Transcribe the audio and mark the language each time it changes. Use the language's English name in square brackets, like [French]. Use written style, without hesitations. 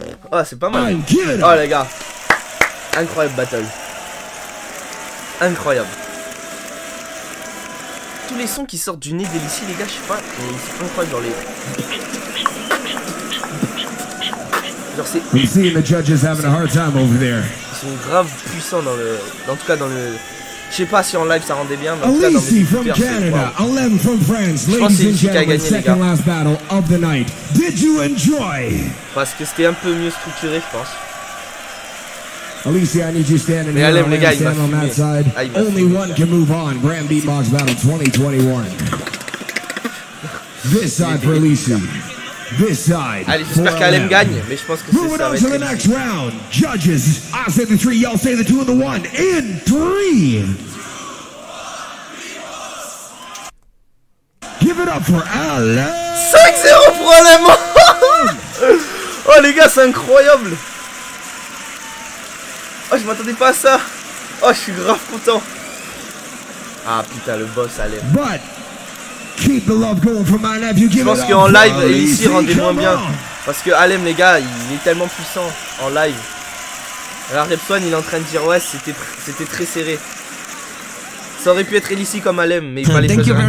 [French] Oh. Oh, c'est pas mal. Oh les gars. Incroyable battle. incroyable. Tous les sons qui sortent du nez d'Elissi, les gars, je sais pas, ils sont incroyables dans les... [English] We see the judges having a hard time over there. [French] Ils sont grave puissants dans le, en tout cas dans le, je sais pas si en live ça rendait bien. [English] Alisi from Canada, Alem from France, ladies and gentlemen, second last battle of the night. Did you enjoy? [French] Parce que c'était un peu mieux structuré, je pense. [English] Alisi, I need you standing here. [French] Alem, les gars, il m'a fumé. [English] Only one can move on. Grand Beatbox Battle 2021. This side for Alisi. This side. [French] Allez, j'espère qu'Alem gagne, mais je pense que c'est ça. [English] Moving on to the next round. Judges, I say the three, y'all say the two and the one. In three. Give it up for Alem. [French] 5-0 pour Alem. Oh les gars, c'est incroyable. Oh, je m'attendais pas à ça. Oh, je suis grave content. Ah putain, le boss Alem. [English] But keep the love going for my nephew. [French] Je pense qu'en live, Alisi rendait moins bien. Parce que Alem, les gars, il est tellement puissant en live. Alors Repson, il est en train de dire ouais, c'était très serré. Ça aurait pu être Alisi comme Alem, mais il fallait choisir un gagnant.